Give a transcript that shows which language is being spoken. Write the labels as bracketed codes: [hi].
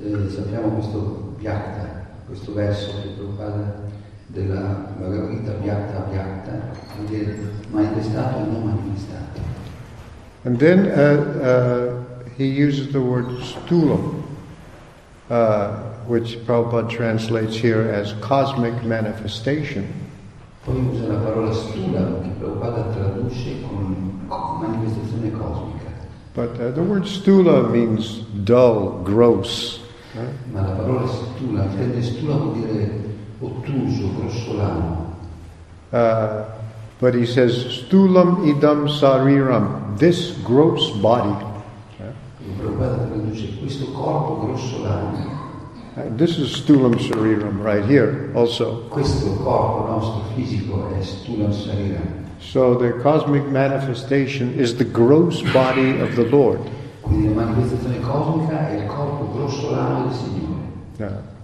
[it] Sappiamo questo vyakta, questo verso che propaga della Bhagavad Gita, vyakta, vyakta, vuol dire manifestato e non manifestato. [en] And then he uses the word stulam, which Prabhupada translates here as cosmic manifestation. [it] Poi usa la parola stulam, che Prabhupada traduce con manifestazione cosmica. [en] But the word stula means dull, gross. [it] Ma la parola stula, intende stula vuol dire ottuso, grossolano. [en] But he says stulam idam sariram, this gross body. [it] Prabhupada traduce questo corpo grossolano. [en] This is stulam sariram right here also. [it] Questo corpo nostro fisico è stulam sariram. [en] So the cosmic manifestation is the gross body of the Lord. [it] Quindi la manifestazione cosmica è il corpo grossolano del Signore.